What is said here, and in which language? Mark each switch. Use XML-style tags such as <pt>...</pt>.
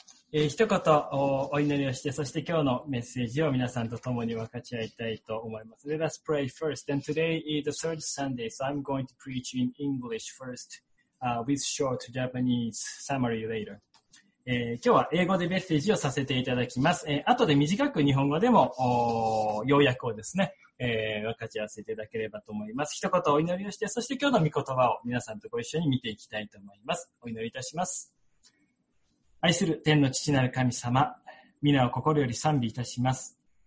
<ja>一言お祈りをして、そして今日のメッセージを皆さんと共に分かち合いたいと思います。</ja> <en>Let us pray first. And today is the third Sunday, so I'm going to preach in English first, with short Japanese summary later.</en> <ja>今日は英語でメッセージをさせていただきます。後で短く日本語でも要約をですね、分かち合わせていただければと思います。一言お祈りをして、そして今日の御言葉を皆さんとご一緒に見ていきたいと思います。お祈りいたします。愛する天の父なる神様、皆を心より賛美いたします。</ja>